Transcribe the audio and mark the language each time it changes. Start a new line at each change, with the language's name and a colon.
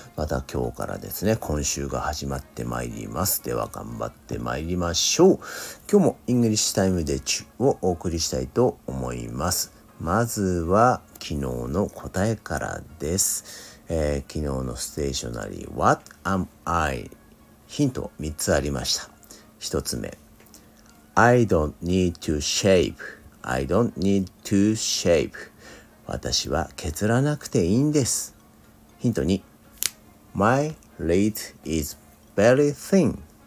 Japanese: また今日からですね、今週が始まってまいります。では頑張ってまいりましょう。今日もイングリッシュタイムでチュをお送りしたいと思います。まずは昨日の答えからです。昨日のステーショナリー
English: What am I?
Japanese: ヒント3つありました。
English: 1つ目、 I don't need to shave.
Japanese: 私は削らなくていいんです。
English: ヒント2、 My lead is very thin.